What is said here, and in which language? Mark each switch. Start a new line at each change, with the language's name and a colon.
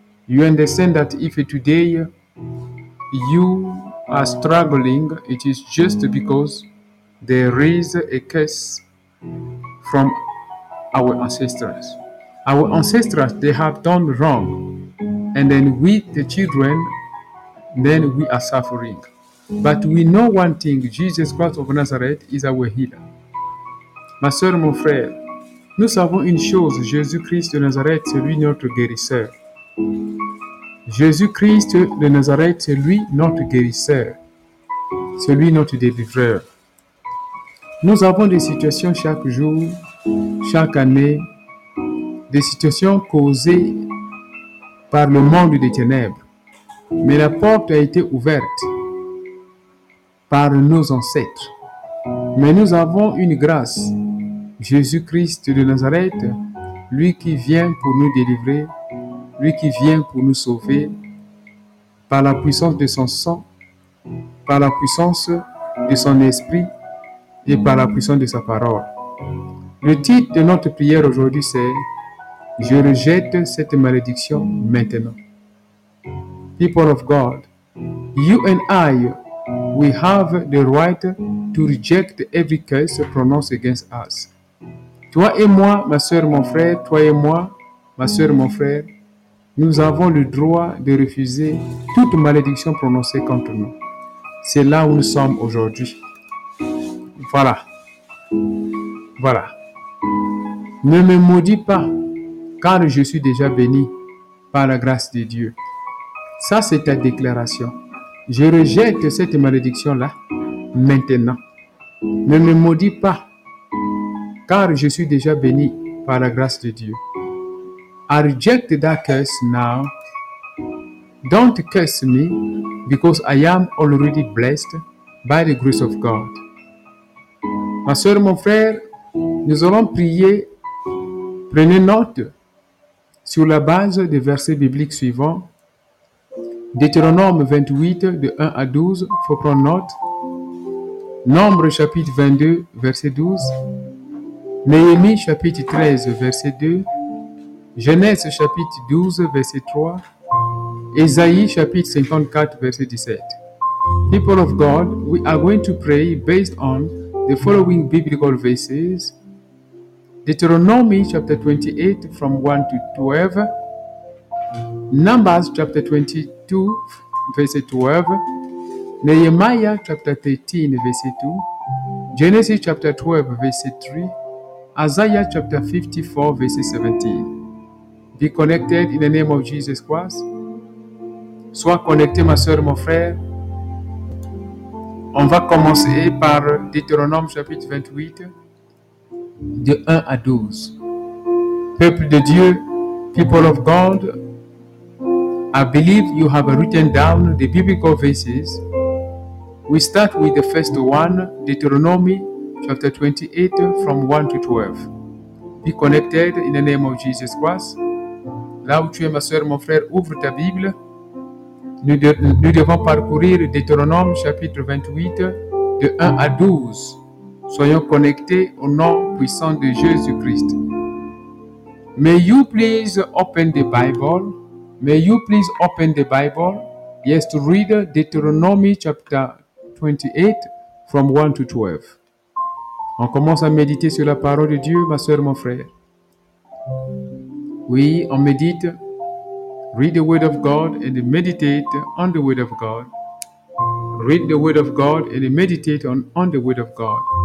English: You understand that if today you are struggling, it is just because there is a curse from our ancestors. Our ancestors, they have done wrong. And then we, the children, then we are suffering. But we know one thing, Jesus Christ of Nazareth is our healer.
French: Ma soeur, mon frère, nous savons une chose, Jésus-Christ de Nazareth, c'est lui notre guérisseur. Jésus-Christ de Nazareth, c'est lui notre guérisseur. C'est lui notre délivreur. Nous avons des situations chaque jour, chaque année, des situations causées par le monde des ténèbres. Mais la porte a été ouverte par nos ancêtres. Mais nous avons une grâce, Jésus-Christ de Nazareth, lui qui vient pour nous délivrer, lui qui vient pour nous sauver, par la puissance de son sang, par la puissance de son esprit, et par la puissance de sa parole. Le titre de notre prière aujourd'hui, c'est « Je rejette cette malédiction maintenant ».
English: People of God, you and I, we have the right to reject every curse pronounced against us.
French: Toi et moi, ma soeur, mon frère, toi et moi, ma sœur, mon frère, nous avons le droit de refuser toute malédiction prononcée contre nous. C'est là où nous sommes aujourd'hui. Voilà. Voilà. Ne me maudis pas, car je suis déjà béni par la grâce de Dieu. Ça, c'est ta déclaration. Je rejette cette malédiction-là maintenant. Ne me maudis pas, car je suis déjà béni par la grâce de Dieu.
English: I reject that curse now. Don't curse me, because I am already blessed by the grace of God.
French: Ma soeur, mon frère, nous allons prier. Prenez note sur la base des versets bibliques suivants. Deutéronome 28, de 1 à 12, il faut prendre note. Nombre chapitre 22, verset 12. Néhémie chapitre 13, verset 2. Genèse chapitre 12, verset 3. Esaïe chapitre 54, verset 17.
English: People of God, we are going to pray based on the following biblical verses.
French: Deutéronome chapitre
English: 28, from 1 to 12. Numbers chapitre 22, verset 12. Nehemiah chapter 13, verset 2. Genesis chapter 12, verset 3. Isaiah chapter 54, verset 17. Be connected in the name of Jesus Christ.
French: Sois connecté, ma soeur, mon frère. On va commencer par Deutéronome chapitre 28, de 1 à 12. Peuple de Dieu,
English: people of God, I believe you have written down the biblical verses. We start with the first one, Deuteronomy chapter 28, from 1 to 12. Be connected in the name of Jesus Christ.
French: Là où tu es, ma soeur, mon frère, ouvre ta Bible. Nous devons parcourir Deutéronome chapitre 28, de 1 à 12. Soyons connectés au nom puissant de Jésus-Christ.
English: May you please open the Bible. May you please open the Bible. Yes, to read Deutéronome chapter 28, from 1 to 12.
French: On commence à méditer sur la parole de Dieu, ma soeur, mon frère. Oui, on médite.
English: Read the word of God and meditate on the word of God. Read the word of God and meditate on the word of God.